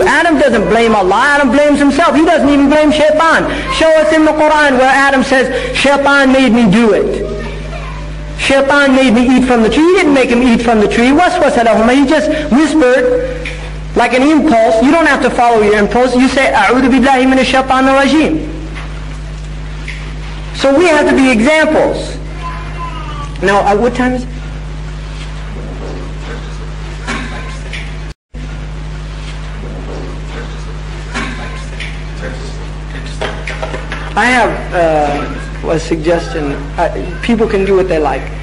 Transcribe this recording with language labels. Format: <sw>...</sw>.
<en>Adam doesn't blame Allah. Adam blames himself. He doesn't even blame shaitan. Show us in the Quran where Adam says, shaitan made me do it. Shaitan made me eat from the tree. He didn't make him eat from the tree. He just whispered like an impulse. You don't have to follow your impulse.</en> <ar>You say, أعوذ بالله من الشيطان الرجيم.</ar> <en>So we have to be examples. Now, at what time is it? I have a suggestion. People can do what they like.</en>